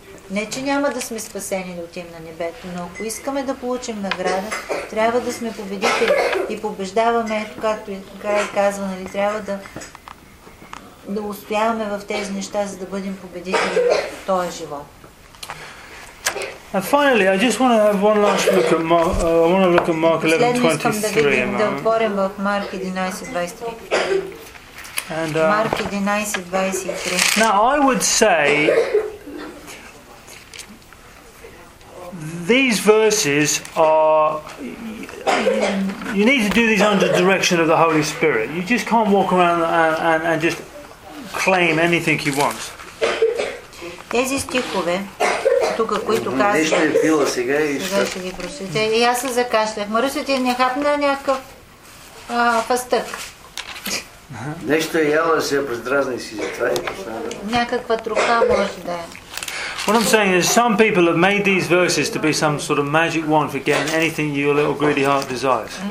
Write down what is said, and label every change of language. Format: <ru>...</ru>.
<bg>Не, че няма да сме спасени да отим на небето, но ако искаме да получим награда, трябва да сме победители и побеждаваме, ето както и така е казва, нали, трябва да успяваме в тези неща, за да бъдем победители в този живот.</bg> <en>And finally, I just want to have one last look at Mark, I want to look at Mark 11:23.</en> <bg>Да отворим в Марк 11:23.</bg> <en>And Mark 11:23. Now I would say these verses are, you need to do these under the direction of the Holy Spirit. You just can't walk around and just claim anything you want.</en> <bg>Тези стихове, тук, които казвам, нещо е пила сега и ще... Сега ще ги просите. И аз се закашлях. Маруся, ти не хапна някакъв фастък. Нещо е яла, се раздразни си за това и пошла. Някаква труха може да е.</bg> <en>What I'm saying is some people have made these verses to be some sort of magic wand for getting anything your little greedy heart desires.</en>